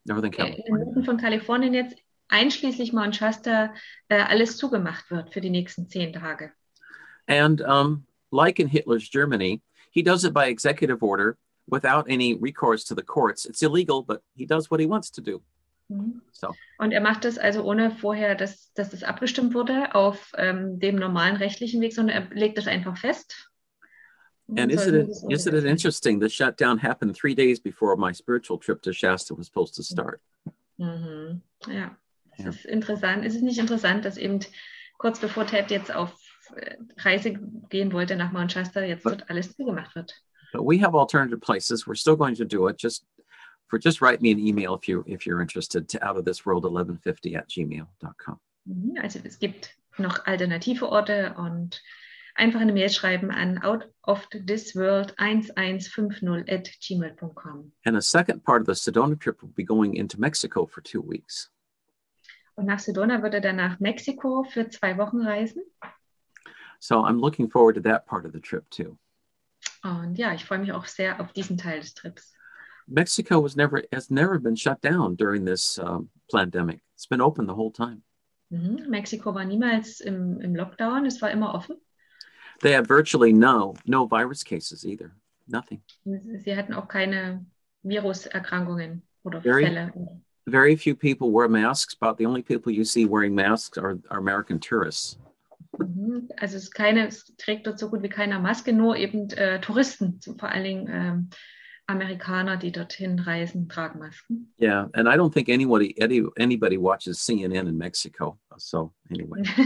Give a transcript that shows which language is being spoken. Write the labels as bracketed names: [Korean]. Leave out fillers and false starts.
[German] in von Kalifornien jetzt einschließlich Mount Shasta alles zugemacht wird für die nächsten 10 Tage. [English] And like in Hitler's Germany, he does it by executive order without any recourse to the courts. It's illegal, but he does what he wants to do. So. [German] Und macht das also ohne vorher, dass das abgestimmt wurde auf dem normalen rechtlichen Weg, sondern legt das einfach fest. [English] And isn't it interesting, the shutdown happened 3 days before my spiritual trip to Shasta was supposed to start. [German] Ja, es ist interessant. Ist es nicht interessant, dass eben kurz bevor Ted jetzt auf Reise gehen wollte nach Mount Shasta, jetzt dort alles zugemacht wird? [English] But we have alternative places. We're still going to do it. Just write me an email if you're interested to outoftheworld1150@gmail.com. [German] Also es gibt noch alternative Orte und einfach eine Mail schreiben an outoftheworld1150@gmail.com. [English] And a second part of the Sedona trip will be going into Mexico for 2 weeks. [German] Und nach Sedona wird dann nach Mexiko für 2 Wochen reisen. [English] So I'm looking forward to that part of the trip too. [German] Und ja, ich freue mich auch sehr auf diesen Teil des Trips. [English] Mexico has never been shut down during this pandemic. It's been open the whole time. [German] Mexiko war niemals im Lockdown, es war immer offen. [English] They had virtually no virus cases either, nothing. [German] Sie hatten auch keine Viruserkrankungen oder [English] Very, [German] Fälle. [English] Very few people wear masks, but the only people you see wearing masks are American tourists. [German] Also es trägt dort so gut wie keiner Maske, nur eben Touristen, vor allen Dingen Amerikaner, die dorthin reisen, tragen Masken. [English] Yeah, and I don't think anybody watches CNN in Mexico, so anyway.